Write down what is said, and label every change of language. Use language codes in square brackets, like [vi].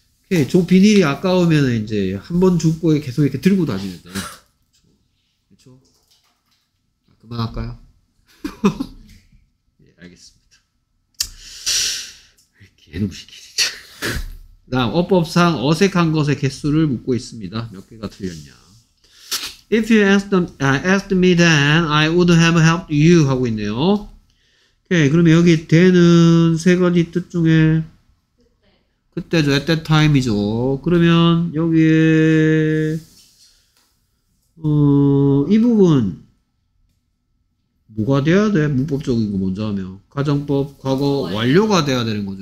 [ko] 예, 저 비닐이 아까우면 이제 한 번 줍고 계속 이렇게 들고 다니면 돼요. 그렇죠? 그만할까요? 예, 알겠습니다. 개놈 시키지. 다음 어법상 어색한 것의 개수를 묻고 있습니다. 몇 개가 틀렸냐? [en] If you asked them, asked me then, I would have helped you [ko] 하고 있네요. 예, 그러면 여기 then은 세 가지 뜻 중에 그때죠. [en] at that time이죠. [ko] 그러면 여기에 이 부분 뭐가 돼야 돼? 문법적인 거 먼저 하면 가정법 과거 완료가 돼야 되는 거죠.